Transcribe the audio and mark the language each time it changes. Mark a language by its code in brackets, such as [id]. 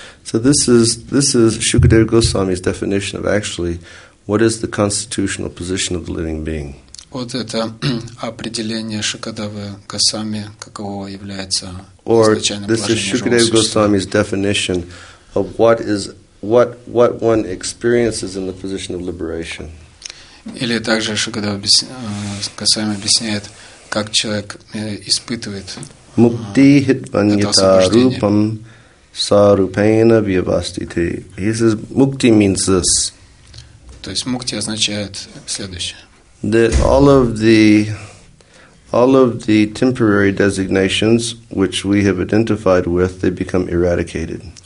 [en] So this is Shukadeva Goswami's definition of actually what is the constitutional position of the living being. [ru] Вот это определение Шукадевы Госвами, каково является изначальное положение живого существа. [en] Or this is Shukadeva Goswami's definition of what is what one experiences in the position of liberation. [ru] Или также ещё когда касаемо объясняет, как человек испытывает [sa] муктихитваньята рупам сарупена вивастите. [en] He says мукти means this. [ru] То есть мукти означает следующее. [en] That all of the temporary designations which we have identified with, they become eradicated.